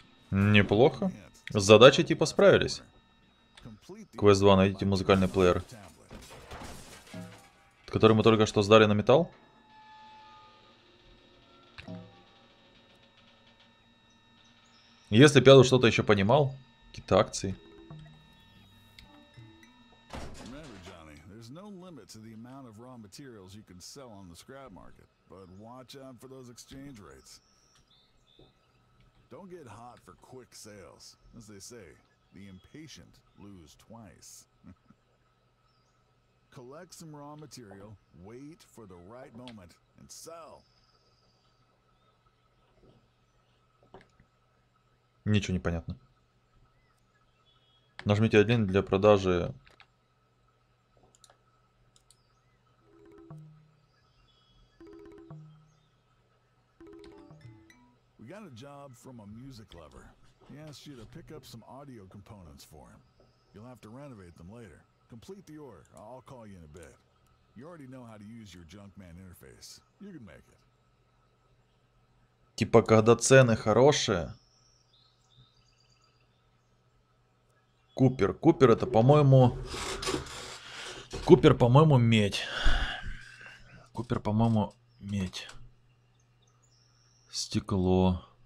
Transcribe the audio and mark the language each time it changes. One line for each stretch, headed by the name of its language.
Russian: Неплохо. С задачей типа справились. Квест 2, найдите музыкальный плеер. Который мы только что сдали на металл? Если Пяду что-то еще понимал, какие-то акции.
English: Remember, Johnny, there's no limit to the amount of raw materials you can sell on the scrap market, but watch out for those exchange rates. Don't get hot for quick sales, as they say, the impatient lose twice. Collect some raw material, wait for the right moment, and sell.
Russian: Ничего не понятно. Нажмите 1 для продажи.
English: We got a job from a music lover. He asked you to pick up some audio components for him. You'll have to renovate them later. Complete the order. I'll call you in a bit. You already know how to use your Junkman interface. You can make it.
Russian: Типа, когда цены хорошие. Купер. Купер это, по-моему... Купер, по-моему, медь. Купер, по-моему, медь. Стекло.